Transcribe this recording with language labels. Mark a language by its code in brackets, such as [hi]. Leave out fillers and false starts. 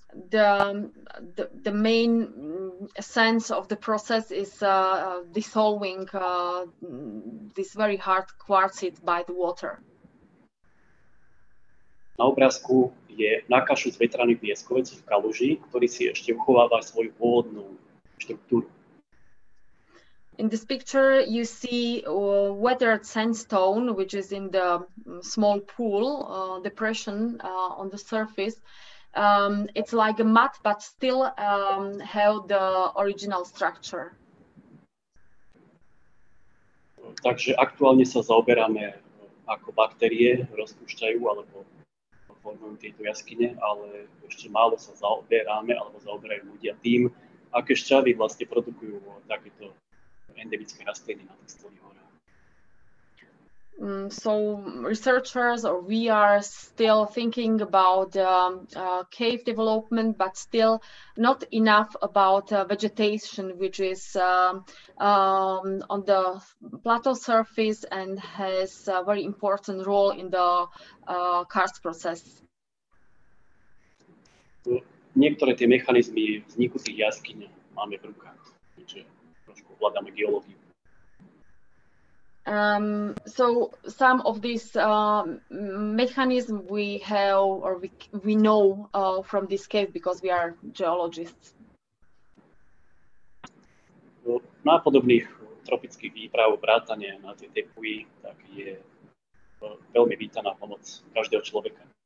[en] The main essence of the process is dissolving this very hard quartzite by the water. [sk] Na obrázku je nakašuť vetraný pieskovec v kaluži, ktorý si ešte uchováva svoju pôvodnú štruktúru. [en] In this picture you see weathered sandstone which is in the small pool depression on the surface. It's like a mud but still held the original structure. [sk] Takže aktuálne sa zaoberáme ako baktérie rozpúšťajú alebo formujú tieto jaskyne, ale ešte málo sa zaoberáme alebo zaoberajú ľudia tým, aké šťavy vlastne produkujú takéto endemické rastliny na tých Stolných horách. [en] So researchers or we are still thinking about cave development, but still not enough about vegetation, which is on the plateau surface and has a very important role in the karst process. [sk] Niektoré tie mechanizmy vzniku tých jaskýň máme v rukách, čiže trošku ovládame geológiu. [en] So some of these mechanism we have or we know from this cave because we are geologists. [sk] Na podobných tropických výprav vrátane na tie Tepui, tak je veľmi vítaná pomoc každého človeka.